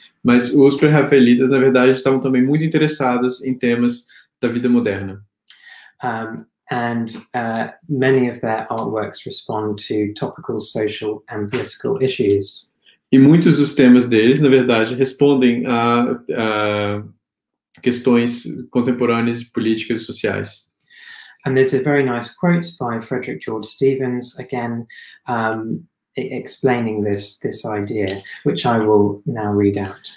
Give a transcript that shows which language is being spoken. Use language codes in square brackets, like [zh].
[pt] Mas os Pre-Raphaelites, na verdade, estavam também muito interessados em temas da vida moderna. [en] And many of their artworks respond to topical, social and political issues. [pt] E muitos dos temas deles, na verdade, respondem a questões contemporâneas, políticas e sociais. [en] And there's a very nice quote by Frederick George Stevens, again, explaining this idea, which I will now read out.